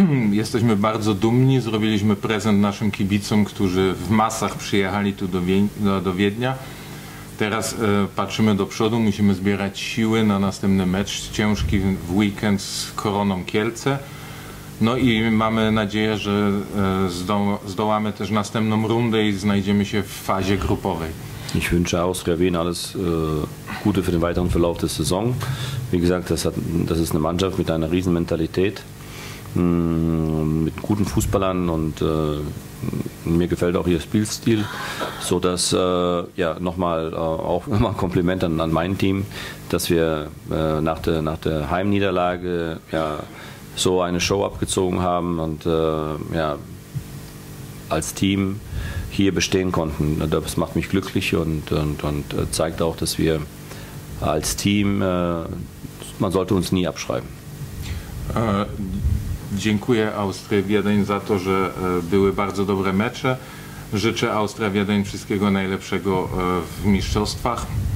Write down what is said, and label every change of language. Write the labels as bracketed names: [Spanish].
[Polish] Jesteśmy bardzo dumni, zrobiliśmy prezent naszym kibicom, którzy w masach przyjechali tu do Wiednia. Teraz patrzymy do przodu, musimy zbierać siły na następny mecz ciężki w weekend z Koroną Kielce. No i mamy nadzieję, że zdołamy też następną rundę i znajdziemy się w fazie grupowej. [German] Ich wünsche Austria Wien alles Gute für den weiteren Verlauf der Saison. Wie gesagt, das ist eine Mannschaft mit einer riesen Mentalität, mit guten Fußballern und mir gefällt auch ihr Spielstil, sodass, ja, nochmal auch immer ein Kompliment an mein Team, dass wir nach der Heimniederlage ja, so eine Show abgezogen haben und ja, als Team hier bestehen konnten. Das macht mich glücklich und zeigt auch, dass wir als Team, man sollte uns nie abschreiben. [Polish] Dziękuję Austrii Wiedeń za to, że były bardzo dobre mecze. Życzę Austrii Wiedeń wszystkiego najlepszego w mistrzostwach.